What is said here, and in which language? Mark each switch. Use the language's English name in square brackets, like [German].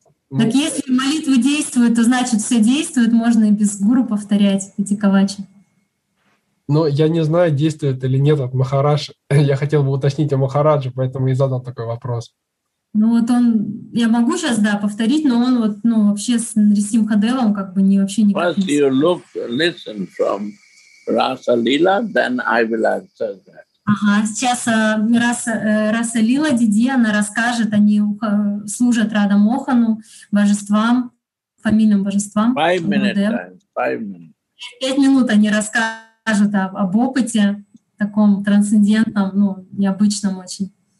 [Russian] Ну, так если молитвы действуют, то значит, все действует, можно и без гуру повторять эти кавачи. Но я не знаю, действует или нет от Махараджа. Я хотел бы уточнить о Махарадже, поэтому и задал такой вопрос. Ну вот он, я могу сейчас, да, повторить, но он вот, ну, вообще с Нарисимхадевом как бы не вообще никак. [English] First you look, listen from Rasa Leela, then I will answer that. [Russian] Ага, сейчас Раса Лила Диди, она расскажет, они служат Радха Мохану, божествам, фамильным божествам. Пять минут они расскажут об опыте таком трансцендентном, ну, необычном очень.